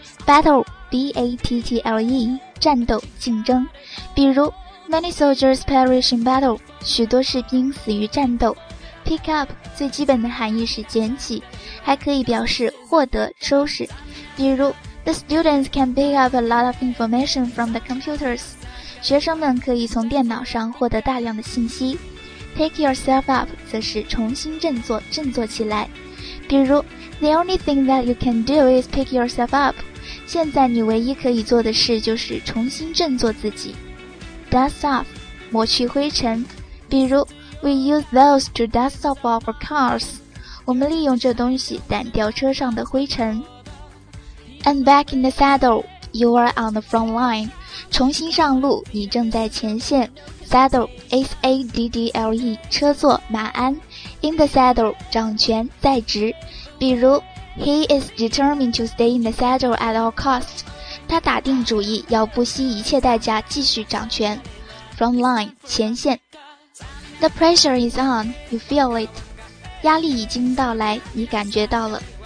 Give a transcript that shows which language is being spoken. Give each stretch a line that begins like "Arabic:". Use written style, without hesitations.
English: Battle, B-A-T-T-L-E, 战斗、竞争。
Chinese: 比如
English: Many soldiers perish in battle,
Chinese: 许多士兵死于战斗。 Pick up 最基本的含义是捡起，还可以表示获得、收拾。比如
English: The students can pick up a lot of information from the computers，
Chinese: 学生们可以从电脑上获得大量的信息。
English: Take yourself up
Chinese: 则是重新振作、振作起来。比如
English: The only thing that you can do is pick yourself up，
Chinese: 现在你唯一可以做的事就是重新振作自己。 Dust off 抹去灰尘。比如
English: We use those to dust off our cars.
Chinese: 我们利用这东西掸掉车上的灰尘。
English: And back in the saddle, you are on the front line.
Chinese: 重新上路，你正在前线。
English: Saddle, S-A-D-D-L-E, 车座马鞍。 In the saddle,
Chinese: 掌权在职。 比如
English: ,He is determined to stay in the saddle at all costs.
Chinese: 他打定主意要不惜一切代价继续掌权。
English: Front line,
Chinese: 前线。
English: The pressure is on, you feel it.
Chinese: 压力已经到来，你感觉到了。